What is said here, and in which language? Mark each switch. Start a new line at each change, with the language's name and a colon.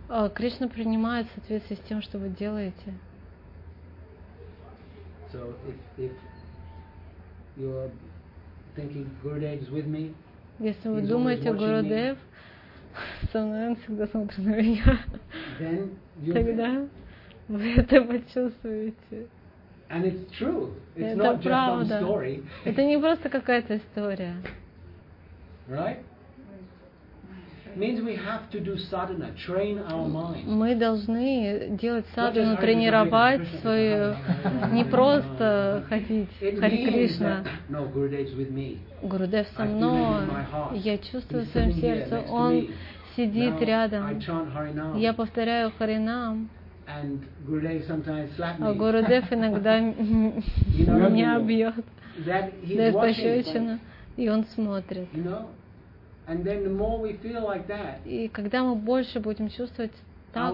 Russian: Кришна принимает в соответствии с тем, что вы делаете.
English: So if you are thinking Gurudev is with me,
Russian: если вы думаете Гурудев со мной, он всегда смотрит на меня,
English: then
Russian: тогда вы это почувствуете.
English: And it's true. It's not just some story.
Russian: Это не просто какая-то история.
English: Right? Means we have to do sadhana, train our mind.
Russian: Мы должны делать садхану, тренировать свою, не просто ходить Хари Кришна.
English: No, Gurudev's with me.
Russian: Гурудев со мной. Я чувствую в своем сердце. Он сидит рядом. Я повторяю Харинам.
English: And Gurudev sometimes slaps me.
Russian: Гурудев иногда меня бьет.
English: That he's watching.
Russian: И он смотрит.
English: You know, And then the more we feel like that,
Russian: и когда мы больше будем чувствовать так,